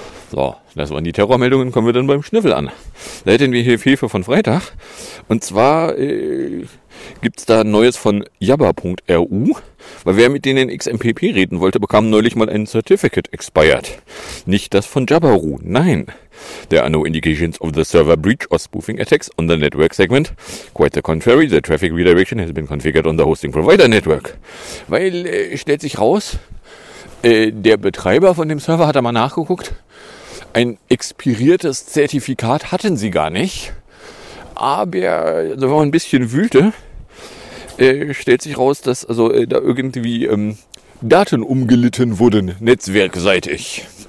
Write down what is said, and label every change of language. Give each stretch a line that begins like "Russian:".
German: So, das waren die Terrormeldungen, kommen wir dann beim Schnüffel an. Da hätten wir hier Hefe von Freitag. Und zwar gibt es da Neues von jabba.ru. Weil wer mit denen XMPP reden wollte, bekam neulich mal ein
English: Certificate expired.
German: Nicht das von Jabba.ru, nein.
English: There are no indications of the server breach or spoofing attacks on the network segment. Quite the contrary, the traffic redirection has been configured on the hosting provider network.
German: Weil, stellt sich raus, der Betreiber von dem Server hat da mal nachgeguckt. Ein expiriertes Zertifikat hatten sie gar nicht. Aber, also wenn man ein bisschen wühlte, stellt sich raus, dass also da irgendwie Daten umgelitten wurden, netzwerkseitig.